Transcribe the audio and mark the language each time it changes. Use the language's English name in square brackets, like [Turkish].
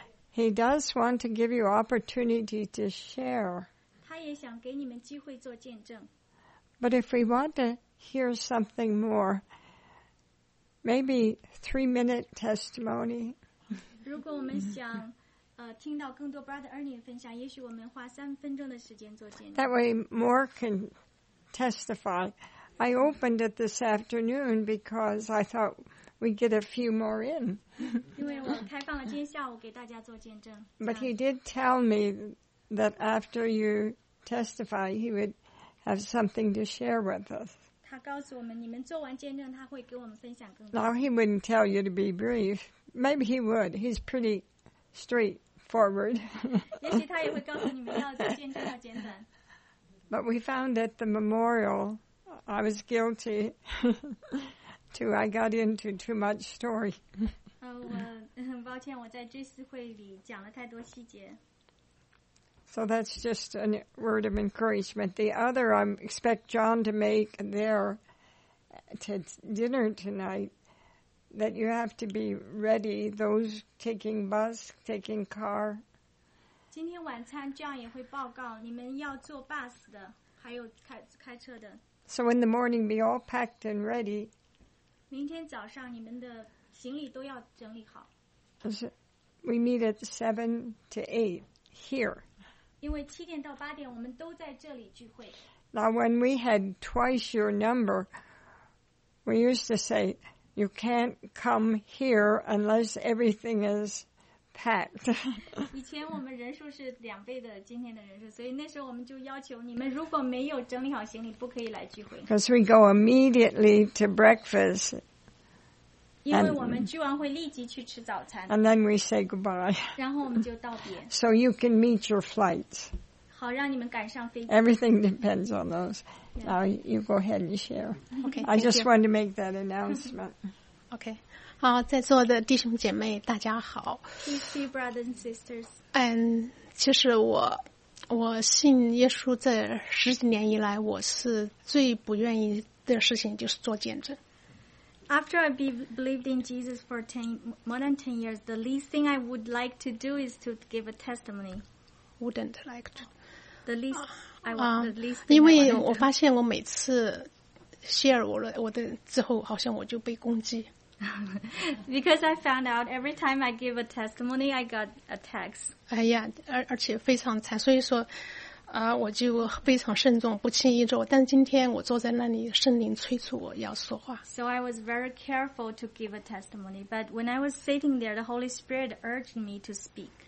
[English] He does want to give you opportunity to share. [Chinese] 他也想给你们机会做见证。 [English] But if we want to hear something more, maybe 3-minute testimony. [Chinese] 如果我们想听到更多 Brother Ernie 的分享，也许我们花3分钟的时间做见证。 [English] That way more can testify. I opened it this afternoon because I thought we'd get a few more in. [Chinese] 因为我开放了今天下午给大家做见证。 [English] But he did tell me that after you testify, he would have something to share with us. [Chinese] 他告诉我们，你们做完见证，他会给我们分享更多。 [English] Now he wouldn't tell you to be brief. Maybe he would. He's pretty straightforward. [Chinese] 也许他也会告诉你们要见证要简短。 [English] But we found at the memorial, I was guilty. I got into too much story. [Chinese] 很抱歉，我在追思会里讲了太多细节。 [English] So that's just a word of encouragement. The other I expect John to make there to dinner tonight, that you have to be ready, those taking bus, taking car. [Chinese] 今天晚餐 John 也会报告你们要坐 bus 的还有 开车的。 [English] So in the morning be all packed and ready. [Chinese] 明天早上你们的行李都要整理好。 [English] We meet at 7 to 8 here. [Chinese] 因为七点到八点我们都在这里聚会。 [English] Now when we had twice your number, we used to say, you can't come here unless everything is packed. [Chinese] 以前我们人数是两倍的今天的人数，所以那时候我们就要求你们如果没有整理好行李不可以来聚会。 [English] Because we go immediately to breakfast. [Chinese] 因为我们聚完会立即去吃早餐。 [English] And then we say goodbye. [Chinese] 然后我们就道别。 [English] So you can meet your flight. [Chinese] 好，让你们赶上飞机。 [English] Everything depends on those. Now you go ahead and share. Okay, I just wanted to make that announcement. Okay. [Chinese] 好，在座的弟兄姐妹，大家好。 [English] Peace to you, brothers and sisters. [Chinese] 其实我信耶稣这十几年以来，我是最不愿意的事情就是做见证。 [English] After I believed in Jesus for more than 10 years, the least thing I would like to do is to give a testimony. Wouldn't like to. The least I want the least. [Chinese] 因为我发现我每次 share 我的之后，好像我就被攻击。 [English] Because I found out every time I give a testimony, I got attacks. [Chinese] 哎呀，而且非常惨，所以说，我就非常慎重，不轻易做。但今天我坐在那里，圣灵催促我要说话。 [English] So I was very careful to give a testimony, but when I was sitting there, the Holy Spirit urged me to speak.